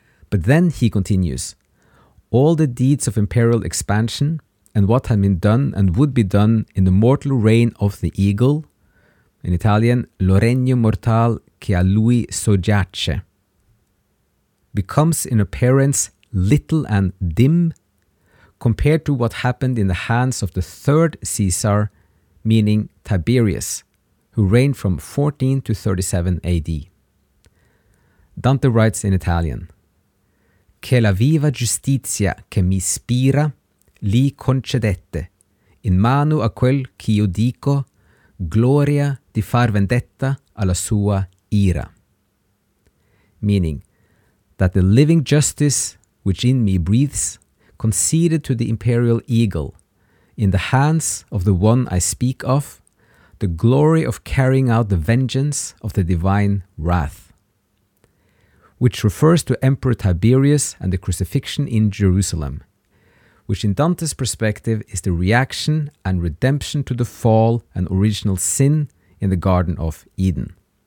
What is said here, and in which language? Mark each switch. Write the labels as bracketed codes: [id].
[en] But then he continues, all the deeds of imperial expansion and what had been done and would be done in the mortal reign of the eagle, in Italian, [it] lo regno mortal che a lui soggiace, [en] becomes in appearance little and dim compared to what happened in the hands of the third Caesar, meaning Tiberius, who reigned from 14 to 37 AD. Dante writes in Italian, [it] che la viva giustizia che mi ispira li concedette in mano a quel che io dico gloria di far vendetta alla sua ira. [en] Meaning, that the living justice which in me breathes conceded to the imperial eagle in the hands of the one I speak of the glory of carrying out the vengeance of the divine wrath, which refers to Emperor Tiberius and the crucifixion in Jerusalem, which in Dante's perspective is the reaction and redemption to the fall and original sin in the Garden of Eden.